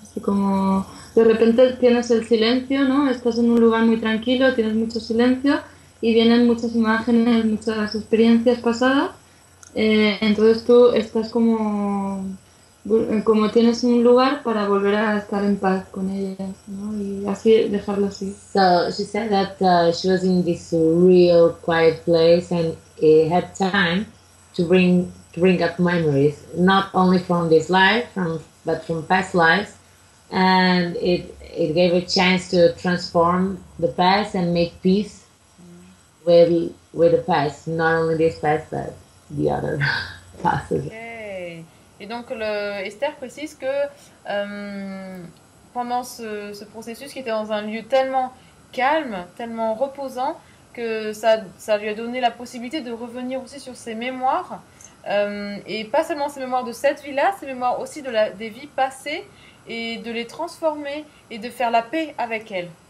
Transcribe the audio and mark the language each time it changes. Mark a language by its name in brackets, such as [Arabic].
[Spanish] Y como de repente tienes el silencio, ¿no? Estás en un lugar muy tranquilo, tienes mucho silencio y vienen muchas imágenes, muchas experiencias pasadas. Entonces tú estás como tienes un lugar para volver a estar en paz con ellas, ¿no? Y así dejarlo así. [English] So she said that she was in this real quiet place and it had time to bring up memories, not only from this life, but from past lives. And it gave a chance to transform the past and make peace with the past, not only this past but the other past. Okay. [French] Et donc Esther précise que pendant ce processus qui était dans un lieu tellement calme, tellement reposant, que ça lui a donné la possibilité de revenir aussi sur ses mémoires, et pas seulement ses mémoires de cette vie-là, ses mémoires aussi des vies passées, et de les transformer et de faire la paix avec elle.